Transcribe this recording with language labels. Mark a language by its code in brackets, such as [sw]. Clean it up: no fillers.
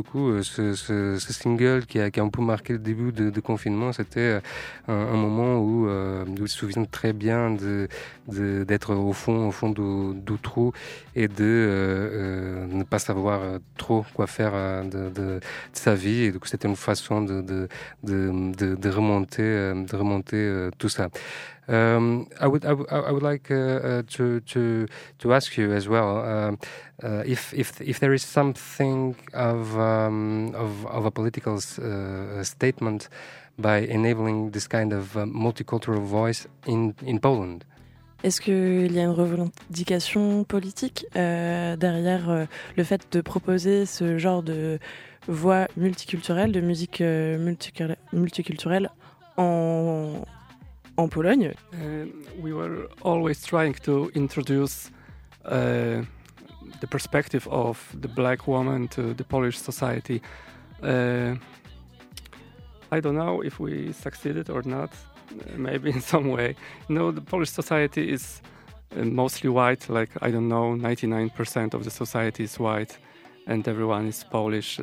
[fr] Du coup, ce single qui a un peu marqué le début de confinement, c'était un moment où vous vous souvenez très bien d'être au fond du trou, et de ne pas savoir trop quoi faire de sa vie. Et du coup, c'était une façon de remonter tout ça. [en] I would like to ask you as well if there is something of a political statement by enabling this kind of multicultural voice in Poland. [fr] Est-ce qu'il y a une revendication politique derrière le fait de proposer ce genre de voix multiculturelle, de musique multiculturelle en Pologne? [en] We were always trying to introduce the perspective of the black woman to the Polish society. I don't know if we succeeded or not. Maybe in some way. You know, the Polish society is mostly white. Like, I don't know, 99% of the society is white, and everyone is Polish.